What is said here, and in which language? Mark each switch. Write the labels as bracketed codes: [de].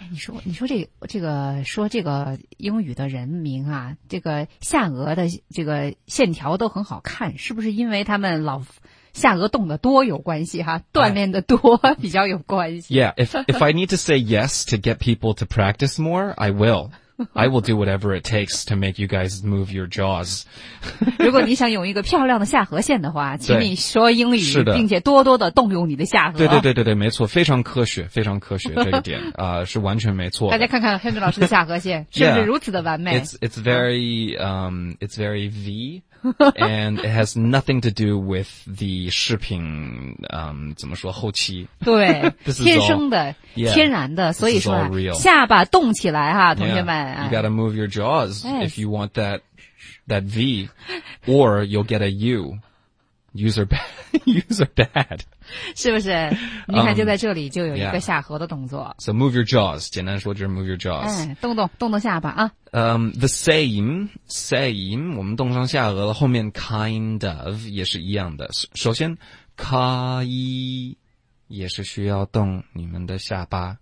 [zh] 你说这个说这个英语的人名啊，这个下颚的这个线条都很好看，是不是因为他们老下颚动得多有关系哈、锻炼得多比较有关系。 [en] Yeah, if I need to say yes to get people to practice more, I will. I will do whatever it takes to make you guys move your jaws. [zh] 如果你想有一个漂亮的下颌线的话，请你说英语，是的，并且多多的动用你的下颌。对对对对对，没错，非常科学，非常科学，这个点啊、是完全没错。大家看看 Henry 老师的下颌线是不是如此的完美 [en] ？It's very V, and it has nothing to do with the [zh] 视频，怎么说后期？对， [en] all, [zh] 天生的， [en] yeah, [zh] 天然的，所以说、下巴动起来哈，同学们。 [en] You gotta move your jaws if you want that V, or you'll get a U. User bad, user bad. [zh] 是不是？你看，就在这里就有一个下颌的动作。 [en] Yeah. So move your jaws. [zh] 简单说就是 [en] move your jaws. [zh] 动动下巴啊。 [en] The same. [zh] 我们动上下颌了，后面 kind of 也是一样的。首先 ，ka yi 也是需要动你们的下巴。